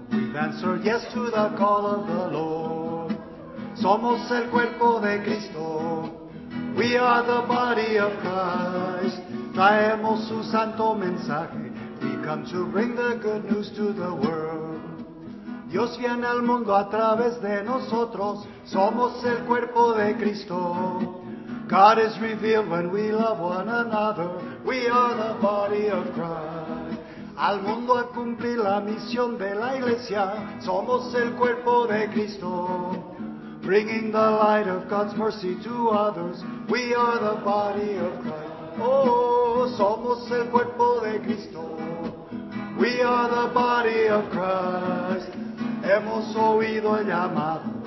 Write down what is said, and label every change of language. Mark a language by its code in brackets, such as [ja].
[en] We've answered yes to the call of the Lord. [es] Somos el cuerpo de Cristo. [en] We are the body of Christ. [es] Traemos su santo mensaje. [en] Come to bring the good news to the world. [es] Dios viene al mundo a través de nosotros. Somos el cuerpo de Cristo. [en] God is revealed when we love one another. We are the body of Christ. [es] Al mundo a cumplir la misión de la iglesia. Somos el cuerpo de Cristo. [en] Bringing the light of God's mercy to others. We are the body of Christ. [es] Oh, somos el cuerpo de Cristo. [en] We are the body of Christ. [es] Hemos oído el llamado.